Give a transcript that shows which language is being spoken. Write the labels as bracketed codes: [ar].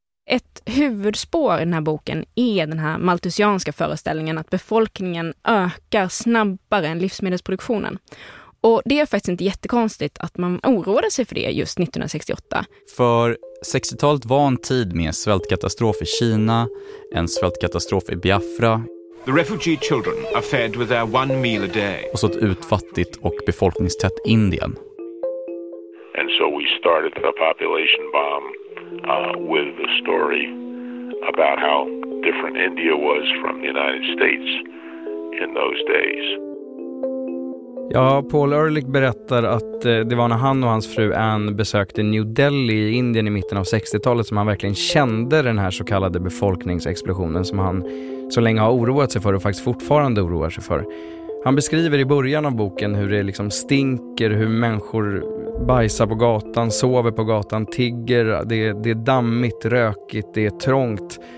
[sv] Ett huvudspår i den här boken är den här malthusianska föreställningen att befolkningen ökar snabbare än livsmedelsproduktionen. Och det är faktiskt inte jättekonstigt att man oroade sig för det just 1968. För 60-talet var en tid med svältkatastrof i Kina, en svältkatastrof i Biafra. [en] The refugee children are fed with their one meal a day. [sv] Och så ett utfattigt och befolkningstätt Indien. [en] And so we started the population bomb with the story about how different India was from the United States in those days. [sv] Ja, Paul Ehrlich berättar att det var när han och hans fru Anne besökte New Delhi i Indien i mitten av 60-talet som han verkligen kände den här så kallade befolkningsexplosionen som han så länge har oroat sig för och faktiskt fortfarande oroar sig för. Han beskriver i början av boken hur det liksom stinker, hur människor bajsar på gatan, sover på gatan, tigger, det är dammigt, rökigt, det är trångt.